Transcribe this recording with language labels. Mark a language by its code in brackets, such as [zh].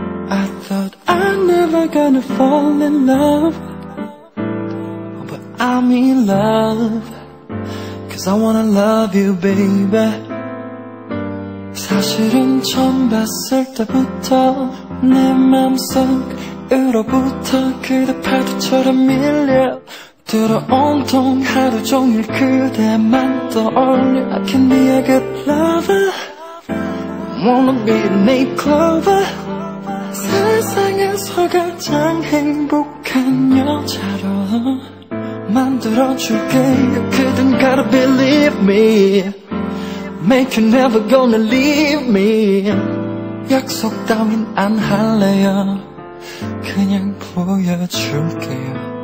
[en] I thought I'm never gonna fall in love, but I'm in love, 'cause I wanna love you, baby. [ko] 사실은 처음 봤을 때부터 내 맘속으로부터 그대 파도처럼 밀려 들어 온통 하루 종일 그대만 떠올려. [en] I can be a good lover, wanna be a name clover. [ko] 세상에서 가장 행복한 여자로 만들어줄게요. [en] 그댄 gotta believe me, make you never gonna leave me. [ko] 약속 따윈 안 할래요, 그냥 보여줄게요.